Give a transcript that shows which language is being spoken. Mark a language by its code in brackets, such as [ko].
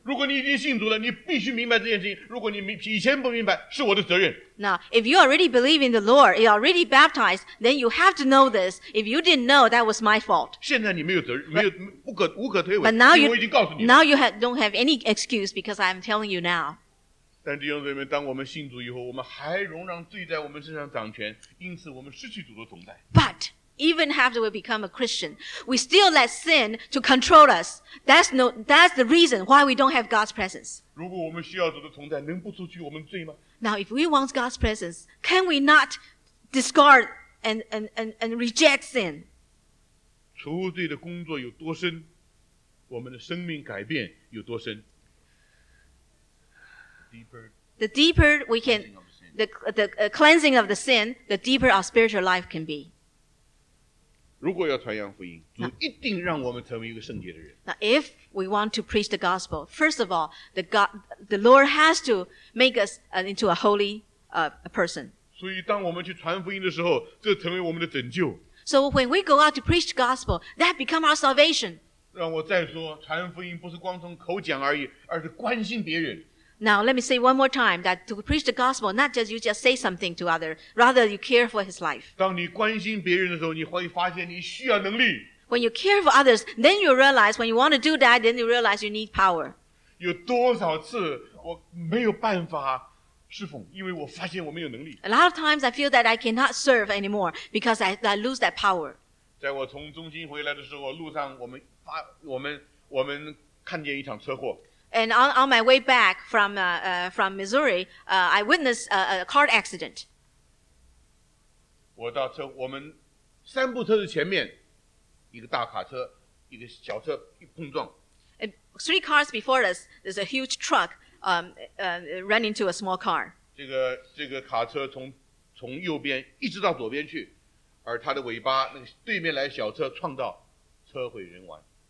[zh] 如果你已经信主了，你必须明白这件事情。如果你以前不明白，是我的责任。 [en] Now, if you already believe in the Lord, you already baptized, then you have to know this. If you didn't know, that was my fault. [zh] 现在你没有责任，没有无可推诿。 [en] But now you, [zh] 我已经告诉你了。 [en] Now you don't have any excuse because I'm telling you now. [zh] 但弟兄姊妹，当我们信主以后，我们还容让罪在我们身上掌权，因此我们失去主的同在。 [en] But even after we become a Christian, we still let sin to control us. That's the reason why we don't have God's presence. [zh] 如果我们需要主的同在，能不除去我们罪吗？ [en] Now, if we want God's presence, can we not discard and reject sin? [zh] 除罪的工作有多深，我们的生命改变有多深。 [en] The deeper we can, the cleansing of the sin, the deeper our spiritual life can be. [zh] 如果要传扬福音，主一定让我们成为一个圣洁的人。 [en] Now, if we want to preach the gospel, first of all, the Lord has to make us into a holy person. [zh] 所以当我们去传福音的时候，这成为我们的拯救。 [en] So when we go out to preach the gospel, that become our salvation. [zh] 让我再说，传福音不是光从口讲而已，而是关心别人。 [en] Now, let me say one more time that to preach the gospel, not just you just say something to others, rather you care for his life. [zh] 当你关心别人的时候，你会发现你需要能力。 [en] When you care for others, then you realize when you want to do that, then you realize you need power. [zh] 有多少次我没有办法侍奉，因为我发现我没有能力。 [en] A lot of times I feel that I cannot serve anymore because I lose that power. [zh] 在我从中心回来的时候，路上我们看见一场车祸。 [en] And on my way back from Missouri, I witnessed a car accident. [zh] 我到车，我们三部车的前面，一个大卡车，一个小车一碰撞。 [en] And three cars before us, there's a huge truck, ran into a small car. [zh] 这个卡车从右边一直到左边去，而它的尾巴那个对面来小车撞到，车毁人亡。